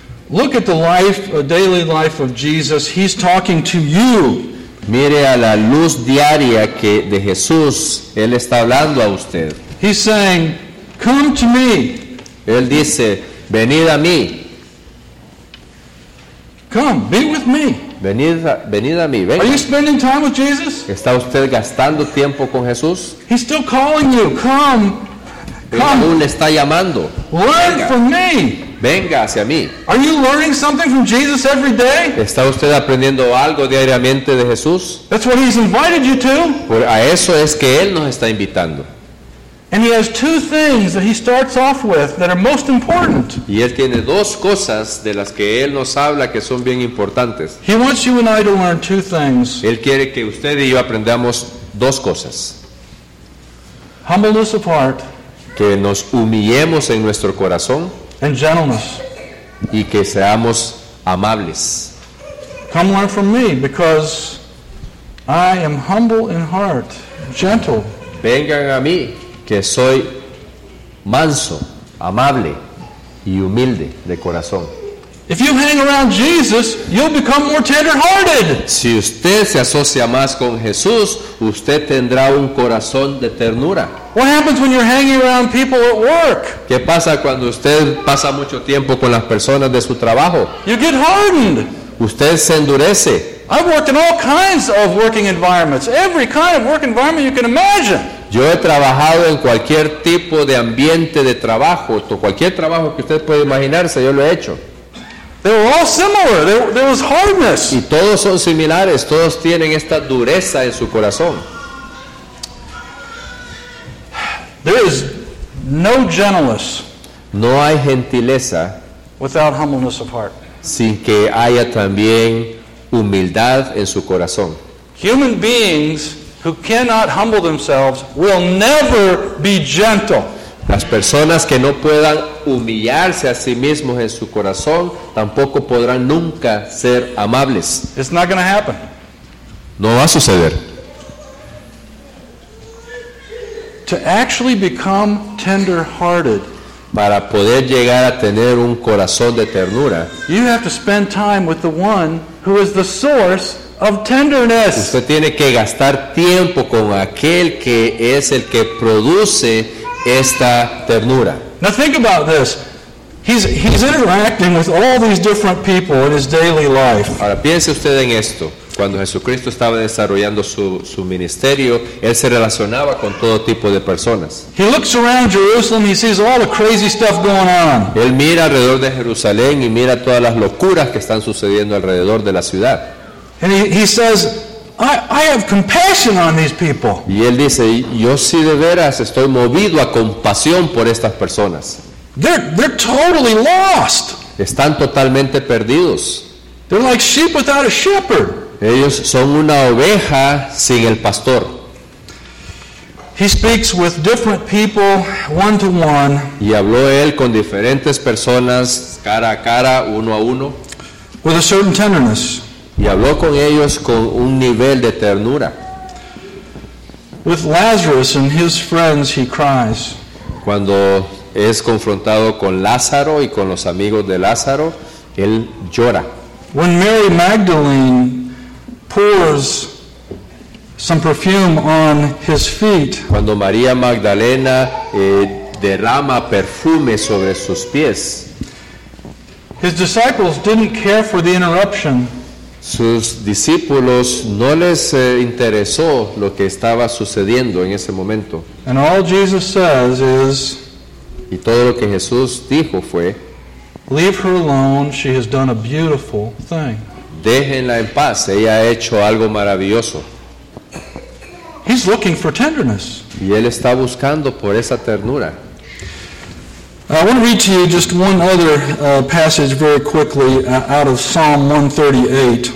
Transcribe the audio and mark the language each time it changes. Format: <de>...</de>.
<en>Look at the life, the daily life of Jesus. He's talking to you.</en> <es>Mire a la luz diaria que de Jesús él está hablando a usted.</es> <en>He's saying, "Come to me."</en> <es>Él dice, "Venid a mí."</es> <en>Come, be with me.</en> <es>Venid a mí. Venga.</es> <en>Are you spending time with Jesus?</en> <es>¿Está usted gastando tiempo con Jesús?</es> <en>He's still calling you. Come. Come.</en> <es>Aún le está llamando.</es> <en>Learn from me.</en> <es>Venga hacia mí.</es> <en>Are you learning something from Jesus every day?</en> <es>¿Está usted aprendiendo algo diariamente de Jesús?</es> <en>That's what he's invited you to.</en> <es>Por a eso es que él nos está invitando.</es> <en>And he has two things that he starts off with that are most important.</en> <es>Y él tiene dos cosas de las que él nos habla que son bien importantes.</es> <en>He wants you and I to learn two things.</en> <es>Él quiere que usted y yo aprendamos dos cosas.</es> <en>Humbleness of heart.</en> <es>Que nos humillemos en nuestro corazón.</es> <en>And gentleness.</en> <es>Y que seamos amables.</es> <en>Come learn from me because I am humble in heart, gentle.</en> <es>Vengan a mí, que soy manso, amable y humilde de corazón.</es> <en>If you hang around Jesus, you'll become more tender-hearted.</en> <es>Si usted se asocia más con Jesús, usted tendrá un corazón de ternura.</es> <en>What happens when you're hanging around people at work?</en> <es>¿Qué pasa cuando usted pasa mucho tiempo con las personas de su trabajo?</es> <en>You get hardened.</en> <es>Usted se endurece.</es> <en>I've worked in all kinds of working environments, every kind of work environment you can imagine.</en> <es>Yo he trabajado en cualquier tipo de ambiente de trabajo, cualquier trabajo que usted pueda imaginarse, yo lo he hecho.</es> <en>They were all similar. There was hardness.</en> <es>Y todos son similares. Todos tienen esta dureza en su corazón.</es> <en>There is no gentleness.</en> <es>No hay gentileza.</es> <en>Without humbleness of heart.</en> <es>Sin que haya también humildad en su corazón.</es> <en>Human beings who cannot humble themselves will never be gentle.</en> <es>Las personas que no puedan humillarse a sí mismos en su corazón tampoco podrán nunca ser amables.</es> <en>It's not going to happen.</en> <es>No va a suceder.</es> <en>To actually become tender-hearted,</en> <es>para poder llegar a tener un corazón de ternura,</es> <en>you have to spend time with the one who is the source of tenderness.</en> <es>Usted tiene que gastar tiempo con aquel que es el que produce esta ternura.</es> <en>Now think about this. He's interacting with all these different people in his daily life.</en> <es>Ahora piense usted en esto. Cuando Jesucristo estaba desarrollando su ministerio, él se relacionaba con todo tipo de personas.</es> <en>He looks around Jerusalem, he sees all the crazy stuff going on.</en> <es>Él mira alrededor de Jerusalén y mira todas las locuras que están sucediendo alrededor de la ciudad.</es> <en>And he says, I have compassion on these people.</en> <es>Y él dice, yo sí de veras estoy movido a compasión por estas personas.</es> <en>They're totally lost.</en> <es>Están totalmente perdidos.</es> <en>They're like sheep without a shepherd.</en> <es>Ellos son una oveja sin el pastor.</es> <en>He speaks with different people one to one.</en> <es>Y habló él con diferentes personas cara a cara, uno a uno.</es> <en>With a certain tenderness.</en> <es>Y habló con ellos con un nivel de ternura.</es> <en>With Lazarus and his friends, he cries.</en> <es>Cuando es confrontado con Lázaro y con los amigos de Lázaro, él llora.</es> <en>When Mary Magdalene pours some perfume on his feet.</en> <es>Cuando María Magdalena derrama perfume sobre sus pies.</es> <en>His disciples didn't care for the interruption.</en> <es>Sus discípulos no les interesó lo que estaba sucediendo en ese momento.</es> <en>And all Jesus says is,</en> <es>y todo lo que Jesús dijo fue,</es> <en>leave her alone, she has done a beautiful thing.</en> <es>Déjenla en paz, ella ha hecho algo maravilloso.</es> <en>He's looking for tenderness.</en> <es>Y él está buscando por esa ternura.</es> <en>I want to read to you just one other passage very quickly out of Psalm 138.</en>